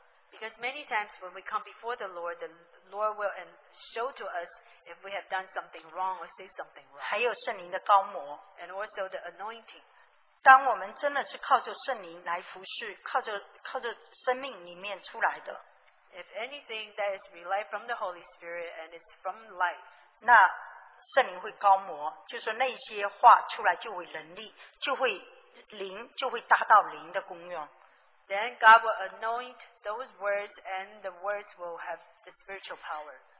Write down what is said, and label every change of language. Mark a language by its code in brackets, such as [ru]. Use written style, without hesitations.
[en] Because many times when we come before the Lord will show to us if we have done something wrong or say something wrong. [zh] 还有圣灵的膏抹, [en] and also the anointing. [zh] 当我们真的是靠着圣灵来服事，靠着生命里面出来的, [en] if anything that is relied from the Holy Spirit and it's from life, [zh] 那圣灵会膏抹，就是那些话出来就会能力，就会 [en] Then God will anoint those words and the words will have the spiritual power.